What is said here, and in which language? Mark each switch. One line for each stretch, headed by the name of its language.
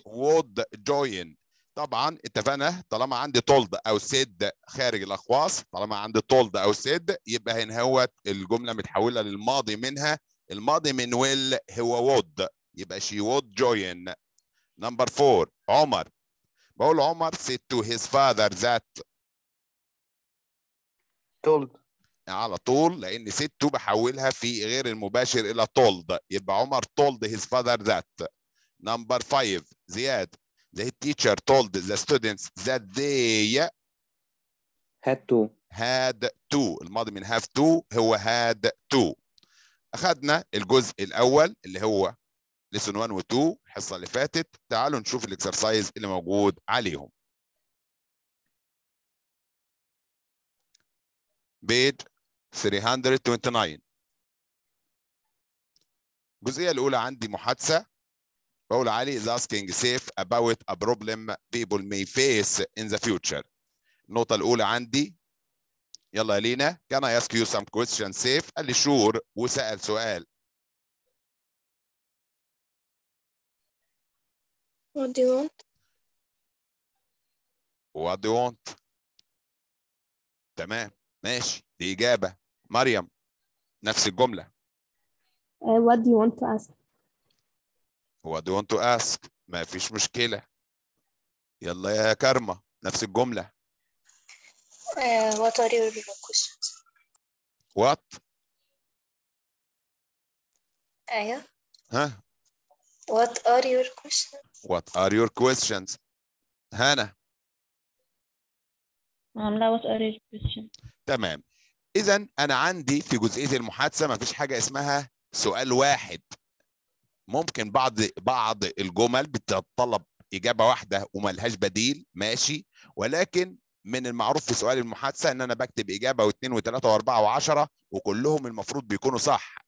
English: would join.
Arabic: طبعا اتفقنا طالما عندي طولد أو سيد خارج الأقواس طالما عندي طولد أو سيد يبقى هنا هو الجملة متحولة للماضي منها الماضي من ويل هو would يبقى
English: she would join. number four. عمر بقول Omar said to his father that told
Arabic: على طول لأن said to بحولها في غير المباشر إلى told يبقى عمر told his father that.
English: number five. Ziad the teacher told the students that they had to had to.
Arabic: الماضي من have to هو had to. أخذنا الجزء الأول اللي هو lesson one و two الحصة اللي فاتت. تعالوا نشوف الإكسرسايز اللي موجود عليهم. بيت 329. الجزئية الأولى عندي محادثة بقول علي
English: is asking Saif about a problem people may face in the future.
Arabic: النقطة الأولى عندي يلا لينا.
English: can I ask you some questions Saif?
Arabic: قال لي شور وسأل سؤال.
English: what do you want what do you want.
Arabic: تمام ماشي دي إجابة. مريم نفس الجملة.
English: What do you want to ask? What do you want to ask?
Arabic: ما فيش مشكلة. يلا يا كارما نفس الجملة.
English: What are your questions? What?
Arabic: أيوه. ها.
English: What are your questions? What are your questions?
Arabic: هانا.
English: لا what are your questions?
Arabic: تمام. إذا أنا عندي في جزئية المحادثة ما فيش حاجة اسمها سؤال واحد. ممكن بعض الجمل بتتطلب إجابة واحدة وملهاش بديل ماشي، ولكن من المعروف في سؤال المحادثة إن أنا بكتب إجابة واثنين وثلاثة وأربعة وعشرة وكلهم المفروض بيكونوا صح.